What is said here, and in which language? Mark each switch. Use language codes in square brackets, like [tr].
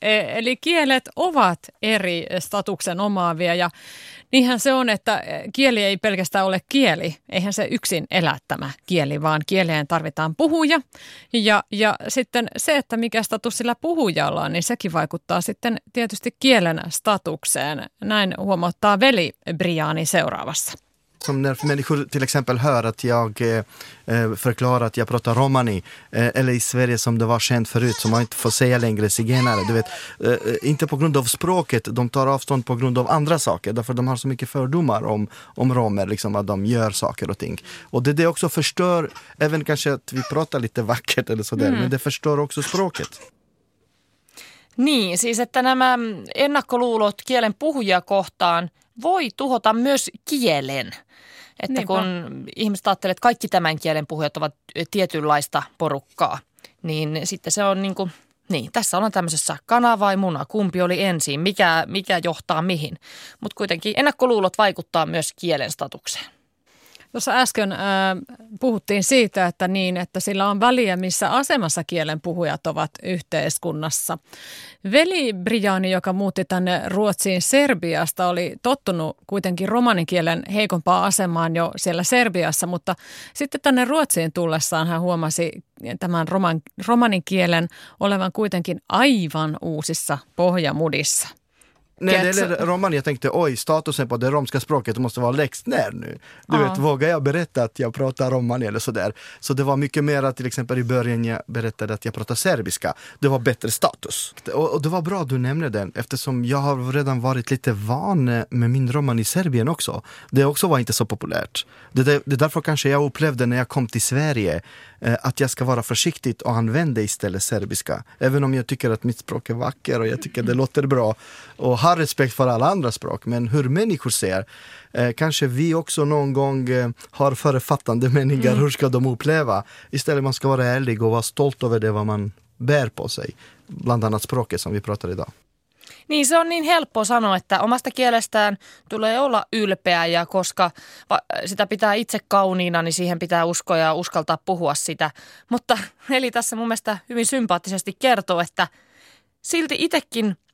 [fi] Eli kielet ovat eri statuksen omaavia ja niinhän se on, että kieli ei pelkästään ole kieli. Eihän se yksin elä tämä kieli, vaan kieleen tarvitaan puhuja. Ja sitten se, että mikä status sillä puhujalla on, niin sekin vaikuttaa sitten tietysti kielen statukseen. Näin huomauttaa veli Briani seuraavassa. [sv] Som när människor till exempel hör att jag förklarar att jag pratar romani eller i Sverige som det var känt förut, som man inte får säga längre zigenare, du vet, inte på grund av språket, de tar avstånd på grund av andra saker, därför de har så mycket fördomar om romer, liksom att de gör saker och ting, och det också förstör även kanske att vi pratar lite vackert eller sådär, men det förstör också språket. Niin, siis että nämä ennakkoluulot kielen puhujia kohtaan voi tuhota myös kielen. Että niinpä. Kun ihmiset ajattelee, että kaikki tämän kielen puhujat ovat tietynlaista porukkaa, niin sitten se on niin kuin, niin, tässä ollaan tämmöisessä kana vai muna, kumpi oli ensin, mikä johtaa mihin. Mutta kuitenkin ennakkoluulot vaikuttaa myös kielen statukseen. Tuossa äsken puhuttiin siitä, että niin, että sillä on väliä, missä asemassa kielen puhujat ovat yhteiskunnassa. Veli Briani, joka muutti tänne Ruotsiin Serbiasta, oli tottunut kuitenkin romanikielen heikompaan asemaan jo siellä Serbiassa, mutta sitten tänne Ruotsiin tullessaan hän huomasi tämän romanikielen olevan kuitenkin aivan uusissa pohjamudissa. Nej, det är roman. Jag tänkte, oj, statusen på det romska språket måste vara läxt ner nu. Du vet, vågar jag berätta att jag pratar romani eller sådär? Så det var mycket mer att till exempel i början jag berättade att jag pratar serbiska. Det var bättre status. Och det var bra att du nämnde den, eftersom jag har redan varit lite van med min romani i Serbien också. Det också var inte så populärt. Det är därför kanske jag upplevde när jag kom till Sverige att jag ska vara försiktig och använda istället serbiska. Även om jag tycker att mitt språk är vacker och jag tycker det låter bra och har respekt för alla andra språk. Men hur människor ser, kanske vi också någon gång har författande meningar. Hur ska de uppleva? Istället man ska vara ärlig och vara stolt över det vad man bär på sig. Bland annat språket som vi pratar idag. [fi] Niin, se on niin helppo sanoa, että omasta kielestään tulee olla ylpeä ja koska sitä pitää itse kauniina, niin siihen pitää uskoa ja uskaltaa puhua sitä. Mutta Eli tässä mun mielestä hyvin sympaattisesti kertoo, että silti itsekin